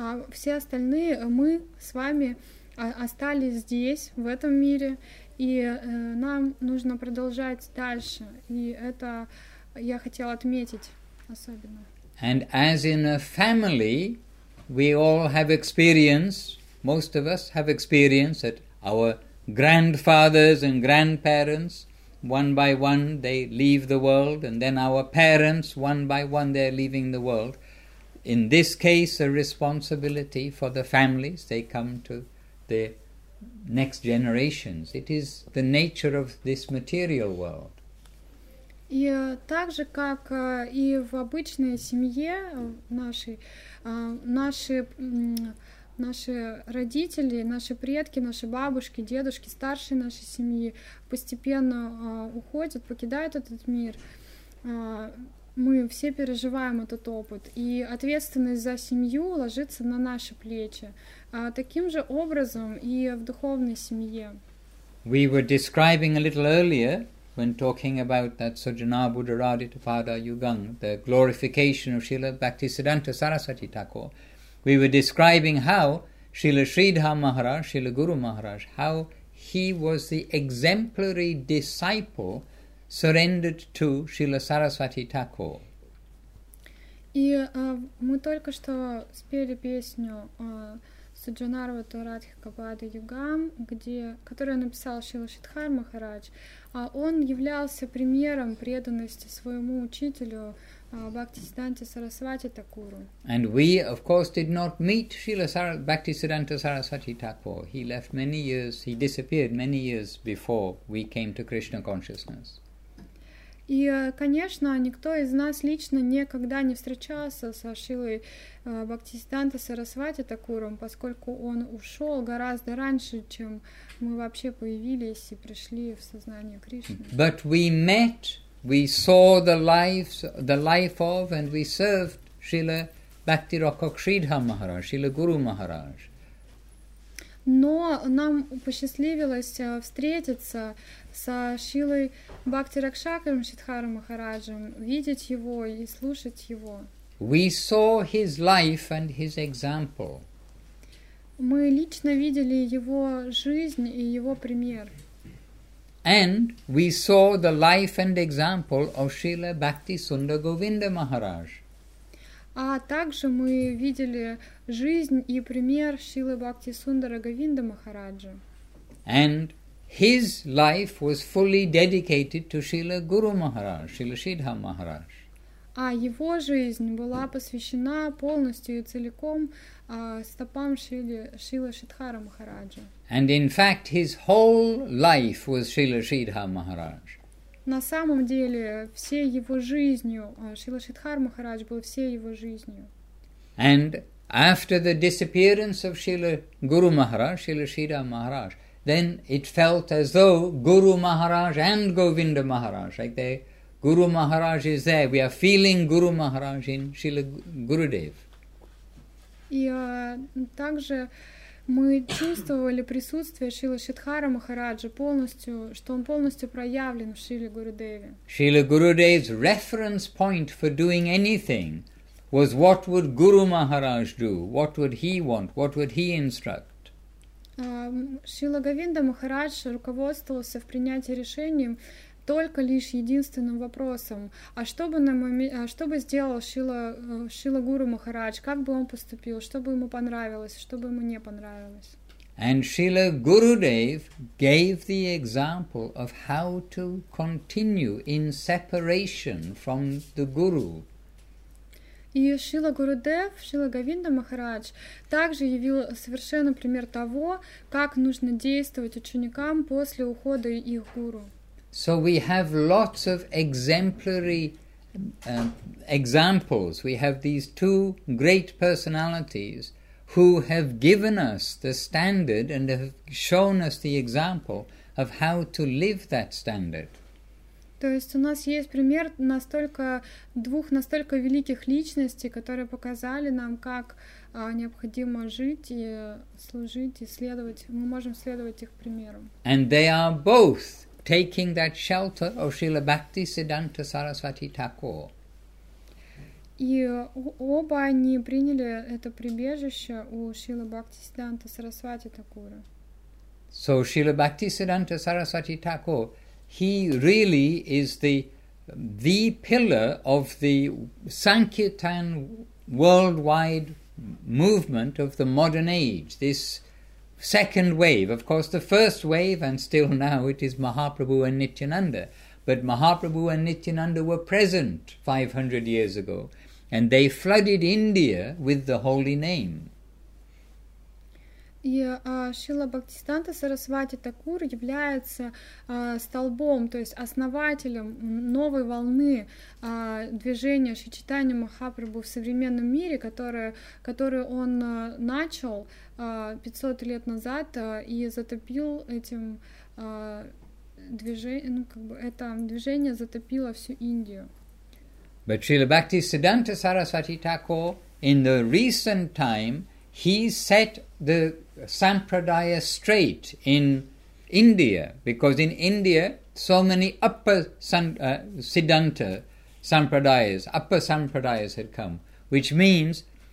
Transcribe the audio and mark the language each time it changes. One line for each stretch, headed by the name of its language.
Russian: Все остальные, мы с вами остались здесь, в этом мире, и нам нужно продолжать дальше. И это я хотела отметить особенно.
English: And as in a family, we all have experience, most of us have experience that our grandfathers and grandparents, one by one, they leave the world, and then our parents, one by one, they're leaving the world. In this case, a responsibility for the families, they come to the next generations. It is the nature of this material world.
Russian: И так же, как и в обычной семье нашей, наши родители, наши предки, наши бабушки, дедушки, старшие нашей семьи постепенно уходят, покидают этот мир. Мы все переживаем этот опыт, и ответственность за семью ложится на наши плечи. Таким же образом и в духовной семье.
English: We were describing a little earlier when talking about that Sujanabuddha Raditapada Yugang, the glorification of Srila Bhaktisiddhanta Saraswati Thakur. We were describing how Srila Sridhar Maharaj, Srila Guru Maharaj, how he was the exemplary disciple surrendered to Srila Saraswati Thakur.
Russian: И мы только что спели песню Суджанарва Тарадхикапада Югам, которую написал Шрила Шридхар Махарадж. Он являлся примером преданности своему учителю Бхактисиддханте Сарасвати Такуру.
English: And we, of course, did not meet Srila Bhaktisiddhanta Saraswati Thakur. He left many years, he disappeared many years before we came to Krishna consciousness.
Russian: И, конечно, никто из нас лично никогда не встречался со Шрилой Бхактисиддханта Сарасвати Такуром, поскольку он ушел гораздо раньше, чем мы вообще появились и пришли в сознание Кришны.
English: But we met we saw the life of and we served Srila Bhakti Rokak Sridhar Maharaj, Srila Guru Maharaj.
Russian: Но нам посчастливилось встретиться со Шилой Бхакти Ракшакаром Сиддхаром Махараджем, видеть его и слушать его.
English: We saw his life and his example.
Russian: Мы лично видели его жизнь и его пример.
English: And we saw the life and example of Srila Bhakti Sundar Govinda Maharaj.
Russian: А также мы видели жизнь и пример Шрилы Бхакти Сундара Говинда Махараджа.
English: And his life was fully dedicated to Srila Guru Maharaj, Srila Sridhar Maharaj.
Russian: А его жизнь была посвящена полностью и целиком стопам Шрилы Сиддхара Махараджа.
English: And in fact, his whole life was Srila Sridhar Maharaj.
Russian: На самом деле, всей его жизнью, Шрила Сиддхар Махарадж был всей его жизнью.
English: And after the disappearance of Srila Guru Maharaj, Srila Sridhar Maharaj, then it felt as though Guru Maharaj and Govinda Maharaj, like they, Guru Maharaj is there, we are feeling Guru Maharaj in Srila Gurudev.
Russian: И также мы чувствовали присутствие Шрилы Сиддхара Махараджа полностью, что он полностью проявлен в Шриле Гурудеве.
English: Шрила Гурудев's reference point for doing anything was what would Guru Maharaj do, what would he want, what would he instruct.
Russian: Шрила Говинда Махарадж руководствовался в принятии решений только лишь единственным вопросом, а что бы сделал Шрила Гуру Махарадж, как бы он поступил, что бы ему понравилось, что бы ему не понравилось.
English: And Srila Gurudev gave the example of how to continue in separation from the Guru.
Russian: И Шрила Гурудев, Шрила Говинда Махарадж, также явил совершенный пример того, как нужно действовать ученикам после ухода их Гуру.
English: So we have lots of exemplary examples. We have these two great personalities who have given us the standard and have shown us the example of how to live that standard.
Russian: То есть у нас есть пример настолько двух настолько великих личностей, которые показали нам, как необходимо жить и служить и следовать. Мы можем следовать их примерам.
English: And they are both taking that shelter of Srila Bhakti Siddhanta Saraswati Thakur.
Russian: И оба они приняли это прибежище у Шрилы Бхакти Сиддханта Сарасвати Такура.
English: So Srila Bhakti Siddhanta Saraswati Thakur, he really is the pillar of the Sankirtan worldwide movement of the modern age, this second wave. Of course, the first wave, and still now, it is Mahaprabhu and Nityananda. But Mahaprabhu and Nityananda were present 500 years ago, and they flooded India with the holy name.
Russian: И Шрила Бхактисиддханта Сарасвати Такур является столбом, то есть основателем новой волны движения Шри Чайтанья Махапрабху в современном мире, которую он начал 500 лет назад и затопил этим движением, это движение затопило всю Индию.
English: But Шрила Бхактисиддханта Сарасвати Такур in the recent time, he set the Sampradaya straight in India, because in India so many upper Siddhanta Sampradayas, upper Sampradayas had come, which means